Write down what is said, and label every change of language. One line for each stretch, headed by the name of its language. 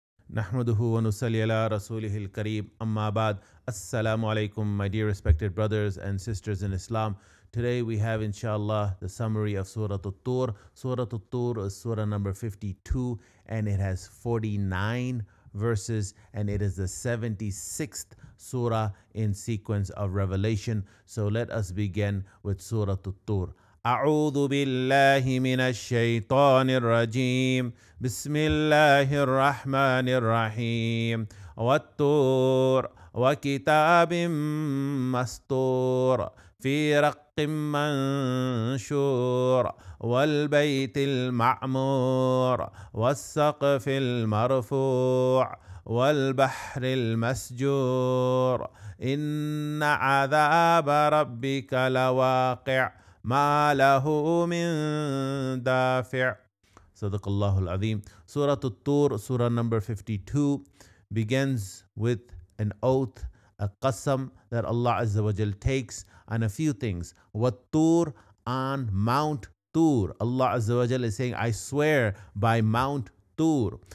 Arabic: نحمده ونصلي على رسوله الكريم أما بعد السلام عليكم
English: my dear respected brothers and sisters in Islam. Today we have inshallah the summary of Surah Toor. Surah Toor is Surah number 52 and it has 49 verses and it is the 76th Surah in sequence of revelation. So let us begin with Surah Toor.
Arabic: أعوذ بالله من الشيطان الرجيم بسم الله الرحمن الرحيم والطور وكتاب مسطور في رق منشور والبيت المعمور والسقف المرفوع والبحر المسجور إن عذاب ربك لواقع ما له من دافع صدق الله العظيم سورة الطور سورة
English: number 52 begins with an oath, a qasam that Allah Azza wa Jal takes on a few things. والطور on Mount Tur. Allah Azza wa Jal is saying, I swear by Mount Tur.